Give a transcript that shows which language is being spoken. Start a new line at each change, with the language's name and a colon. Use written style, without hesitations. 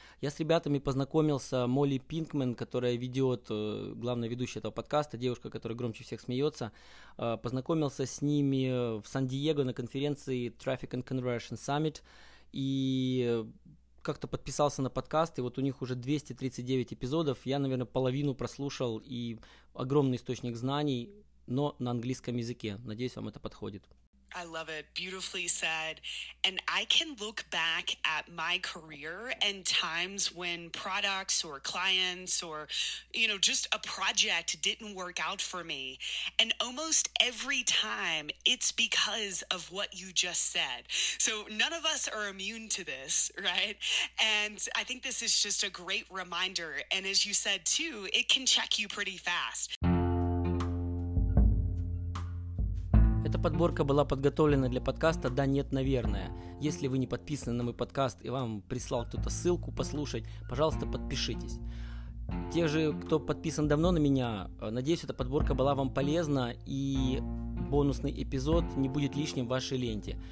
Russian: Я с ребятами познакомился, Молли Пинкман, которая ведет, главная ведущая этого подкаста, девушка, которая громче всех смеется, познакомился с ними в Сан-Диего на конференции Traffic and Conversion Summit и... как-то подписался на подкаст, и вот у них уже 239 эпизодов. Я, наверное, половину прослушал, и огромный источник знаний, но на английском языке. Надеюсь, вам это подходит.
English: I love it. Beautifully said. And I can look back at my career and times when products or clients or, you know, just a project didn't work out for me. And almost every time it's because of what you just said. So none of us are immune to this, right? And I think this is just a great reminder. And as you said, too, it can check you pretty fast.
Russian: Эта подборка была подготовлена для подкаста «Да, нет, наверное». Если вы не подписаны на мой подкаст и вам прислал кто-то ссылку послушать, пожалуйста, подпишитесь. Те же, кто подписан давно на меня, надеюсь, эта подборка была вам полезна и бонусный эпизод не будет лишним в вашей ленте.